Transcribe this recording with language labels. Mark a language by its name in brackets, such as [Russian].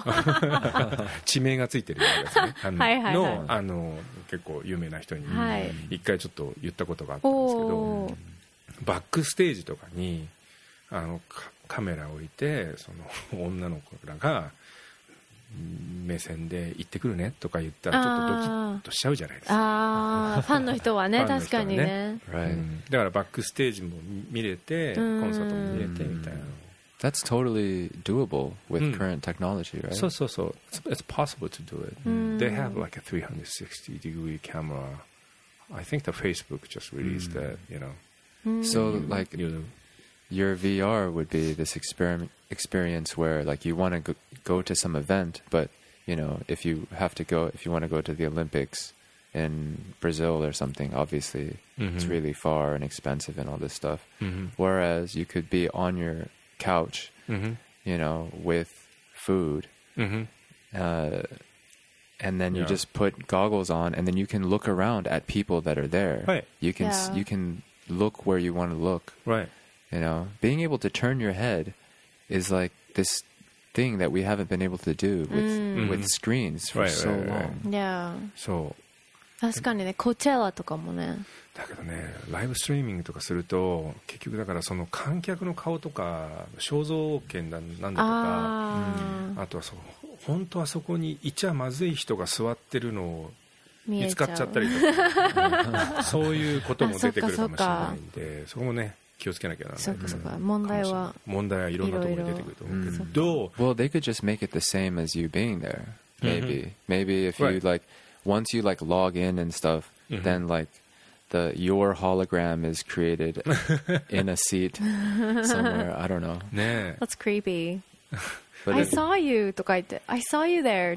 [Japanese] はい、地名がついてるやつですね、あの結構有名な人に一回ちょっと言ったことがあったんですけど、はい、バックステージとかにあのカメラを置いてその女の子らが目線で行ってくるねとか言ったらちょっとドキッとしちゃうじゃないですか、あファンの人は ね、 人はね、確かにね、 right. うん、だからバックステージも見れてコンサートも見れてみたいな、 [English] That's totally doable with current technology、うん、right? [Japanese] そうそうそう [English] It's possible to do it、うん、They have like a 360 degree camera I think the Facebook just released that、うん、you know、うん、 So like your VR would be this experience where like you want to go to some event, but you know if you have to go, if you want to go to the Olympics in Brazil or something, obviously mm-hmm. it's really far and expensive and all this stuff. Mm-hmm. Whereas you could be on your couch, mm-hmm. you know, with food, mm-hmm. And then you just put goggles on, and then you can look around at people that are there. Right. You can you can look where you want to look. Right. You know, being able to turn your head is like this thing that we haven't been able to do with screens for so long. Yeah. [Japanese] そう。確かにね、コチェラとかもね。だけどね、ライブストリーミングとかすると結局だからその観客の顔とか肖像権なんだとか、あとはそう本当はそこにいちゃまずい人が座ってるのを見つかっちゃったりとか、そういうことも出てくるかもしれないんで、そこもね。気をつけなきゃならない。そうかそうか。問題は、問題はいろんなところに出てくると思うけど。 [English] Well, they could just make it the same as you being there. Maybe, maybe if you like, once you like log in and stuff, then like the your hologram is created in a seat somewhere. I don't know. [Japanese] ね。 [English] That's creepy. But I saw you [Japanese] とか言って、 [English] I saw you there.